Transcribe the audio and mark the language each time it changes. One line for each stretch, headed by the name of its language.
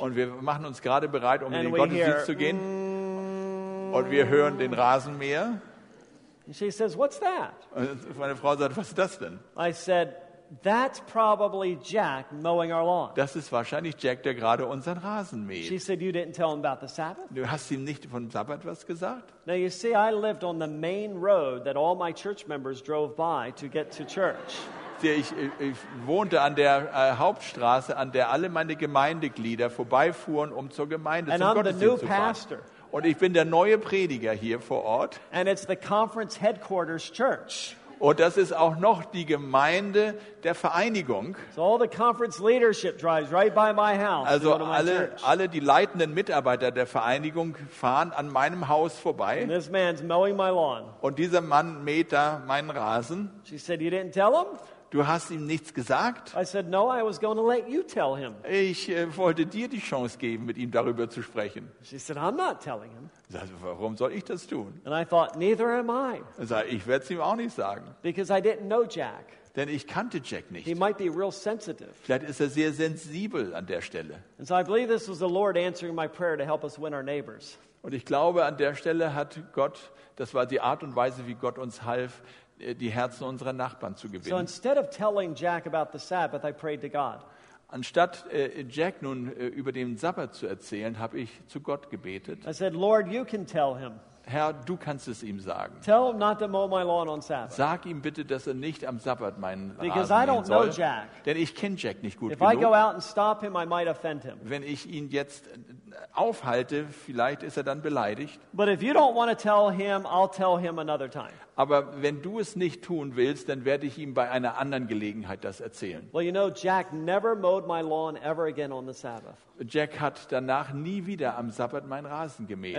German: Und wir machen uns gerade bereit, um in den Gottesdienst zu gehen. Und wir hören den Rasenmäher.
English: And she says, "What's that?"
German: Und meine Frau sagt, was ist das denn?
English: I said, "That's probably Jack mowing our lawn."
German: Das ist wahrscheinlich Jack, der gerade unseren Rasen mäht.
English: She said, "You didn't tell him about the Sabbath?"
German: Du hast ihm nicht vom Sabbat was gesagt?
English: Now you see, I lived on the main road that all my church members drove by to get to church.
German: Ich wohnte an der Hauptstraße, an der alle meine Gemeindeglieder vorbeifuhren, um zur Gemeinde zum Gottesdienst zu fahren. Und ich bin der neue Prediger hier vor Ort.
English: And it's the conference headquarters church.
German: Und das ist auch noch die Gemeinde der Vereinigung.
English: So all the conference leadership drives right by my house.
German: Also
English: to go to my
German: alle
English: church.
German: Alle die leitenden Mitarbeiter der Vereinigung fahren an meinem Haus vorbei.
English: And this man's mowing my lawn.
German: Und dieser Mann mäht da meinen Rasen.
English: She said, "You didn't tell him?"
German: Du hast ihm nichts gesagt?
English: I said, "No, I was going to let you tell him."
German: Ich wollte dir die Chance geben, mit ihm darüber zu sprechen.
English: She said, "I'm not telling him."
German: Warum soll ich das tun?
English: And I thought, neither am I.
German: Ich werde es ihm auch nicht sagen.
English: Because I didn't know Jack.
German: Denn ich kannte Jack nicht.
English: He might be real sensitive.
German: Vielleicht ist er sehr sensibel an der Stelle.
English: And so I believe this was the Lord answering my prayer to help us win our neighbors.
German: Und ich glaube, an der Stelle hat Gott, das war die Art und Weise, wie Gott uns half, die Herzen unserer Nachbarn zu gewinnen.
English: So instead of telling Jack about the Sabbath, I prayed to God.
German: Anstatt Jack nun über den Sabbat zu erzählen, habe ich zu Gott gebetet.
English: I said, "Lord, you can tell him."
German: Herr, du kannst es ihm sagen.
English: Tell him not to mow my lawn on Sabbath.
German: Sag ihm bitte, dass er nicht am Sabbat meinen Rasen
English: Because
German: mähen
English: I don't
German: soll,
English: know Jack.
German: Denn ich kenne Jack nicht gut
English: If
German: genug.
English: I go out and stop him, I might offend him.
German: Wenn ich ihn jetzt aufhalte, vielleicht ist er dann beleidigt.
English: But if you don't want to tell him, I'll tell him another time.
German: Aber wenn du es nicht tun willst, dann werde ich ihm bei einer anderen Gelegenheit das erzählen.
English: Well, you know, Jack never mowed my lawn ever again on the Sabbath.
German: Jack hat danach nie wieder am Sabbat meinen Rasen gemäht.